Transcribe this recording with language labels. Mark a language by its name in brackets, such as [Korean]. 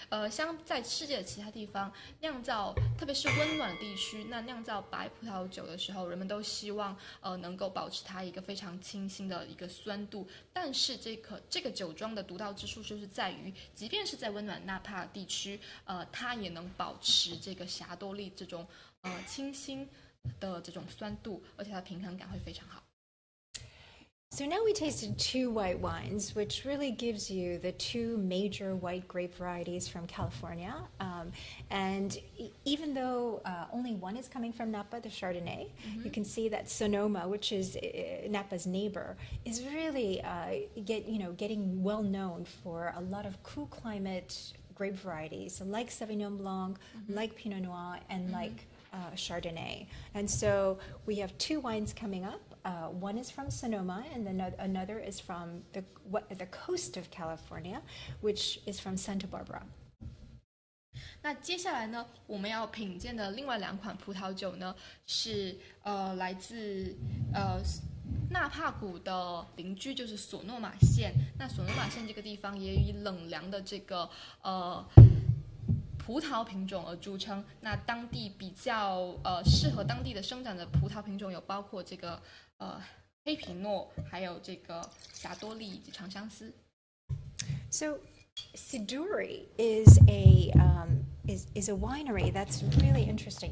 [Chinese] 像在世界的其他地方酿造，特别是温暖的地区，那酿造白葡萄酒的时候，人们都希望能够保持它一个非常清新的一个酸度。但是这个酒庄的独到之处就是在于，即便是在温暖纳帕地区，它也能保持这个霞多丽这种清新的这种酸度，而且它的平衡感会非常好。 [English] So now we tasted two white wines, which really gives you the two major white grape varieties from California. And even though only one is coming from Napa, the Chardonnay, mm-hmm. you can see that Sonoma, which is Napa's neighbor, is really getting well known for a lot of cool climate grape varieties, like Sauvignon Blanc, mm-hmm. like Pinot Noir, and mm-hmm. like Chardonnay. And so we have two wines coming up. One is from Sonoma, and then another is from the coast of California, which is from Santa Barbara. [Chinese] 那接下来呢，我们要品鉴的另外两款葡萄酒呢，是来自纳帕谷的邻居，就是索诺玛县。那索诺玛县这个地方也以冷凉的这个葡萄品种而著称。那当地比较适合当地的生长的葡萄品种有包括这个。黑皮诺，还有这个霞多丽以及长相思。 [English] So, Siduri is a winery that's really interesting.